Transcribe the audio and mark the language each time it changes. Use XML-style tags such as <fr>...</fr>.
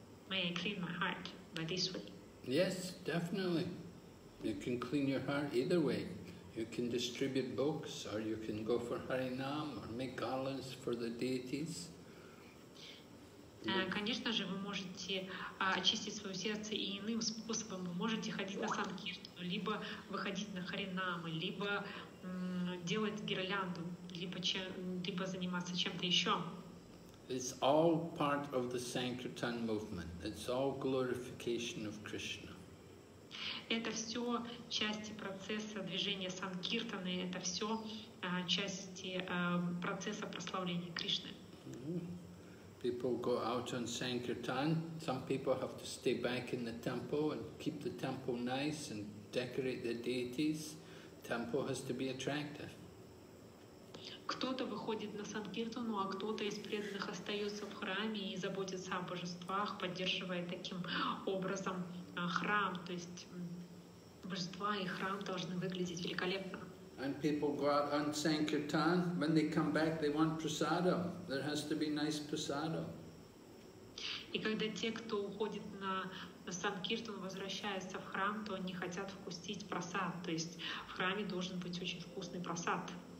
<en>May I clean my heart by this way? Yes, definitely. You can clean your heart either way. You can distribute books, or you can go for Harinam, or make garlands for the deities.</en> <ru>Конечно же, вы можете очистить свое сердце и иным способом. Вы можете ходить на Санкиртану, либо выходить на Харинам, либо делать гирлянду, либо заниматься чем-то еще.</ru> <en>It's all part of the Sankirtan movement. It's all glorification of Krishna.</en> <ru>Это все части процесса движения Санкиртаны, это все части процесса прославления Кришны.</ru> <en>People go out on Sankirtan. Some people have to stay back in the temple and keep the temple nice and decorate the deities. Temple has to be attractive.</en> <ru>Кто-то выходит на Санкиртану, а кто-то из преданных остается в храме и заботится о божествах, поддерживая таким образом храм, то есть божества и храм должны выглядеть великолепно.</ru> <en>And people go out on Sankirtan, when they come back, they want prasadam. There has to be nice prasadam.</en> <ru>И когда те, кто уходит на Санкиртан, возвращаются в храм, то они хотят вкусить прасад, то есть в храме должен быть очень вкусный прасад.</ru>